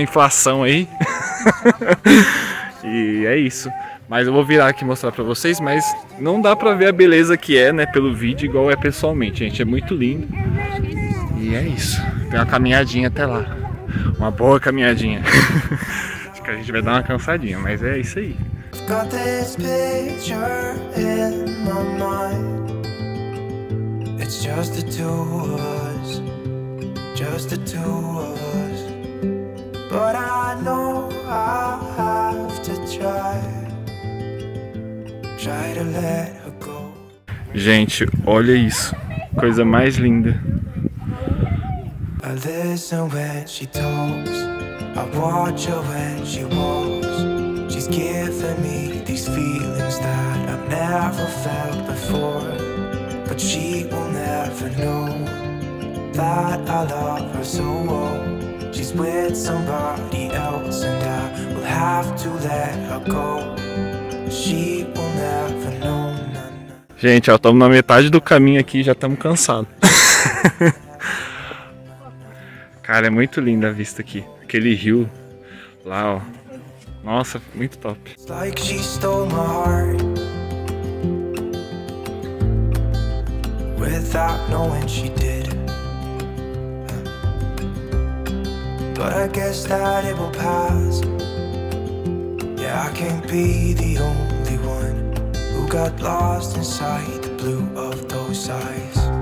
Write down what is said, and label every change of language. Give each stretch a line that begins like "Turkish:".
Portuguese: inflação aí. E é isso. Mas eu vou virar aqui mostrar para vocês, mas não dá para ver a beleza que é, né, pelo vídeo, igual é pessoalmente, gente. É muito lindo. E é isso. Tem uma caminhadinha até lá. Uma boa caminhadinha. Acho que a gente vai dar uma cansadinha, mas é isso aí.
English: Got this picture in my mind. It's just the two of us, just the two of us. But I know I have to try, try to let her go.
Portuguese: Gente, olha isso, coisa mais linda.
English: I listen when she talks, I watch her when she walks. Given me these feelings that I've never felt before. But she will never know that I love her so well. She's with somebody else and I will have to let her go. She will never know.
Portuguese: Gente, ó, estamos na metade do caminho aqui e já estamos cansados. Cara, é muito linda a vista aqui. Aquele rio lá, ó. Nossa, muito top.
English: It's like she stole my heart without knowing she did. But I guess that it will pass. Yeah, I can't be the only one who got lost inside the blue of those eyes.